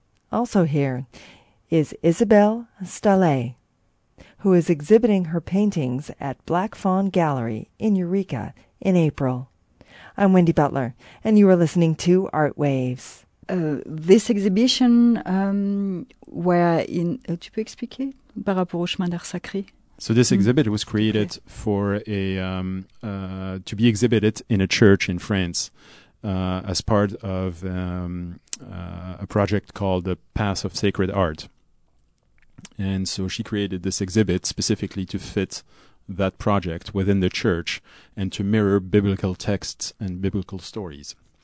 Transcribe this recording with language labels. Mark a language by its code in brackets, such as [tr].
[en] Also here is Isabel Stallet, who is exhibiting her paintings at Black Fawn Gallery in Eureka in April. I'm Wendy Butler, and you are listening to Art Waves. This exhibition where in... [fr] Tu peux expliquer par rapport au chemin d'art sacré? [en] So this exhibit was created for to be exhibited in a church in France. As part of a project called the Path of Sacred Art. And so she created this exhibit specifically to fit that project within the church and to mirror biblical texts and biblical stories.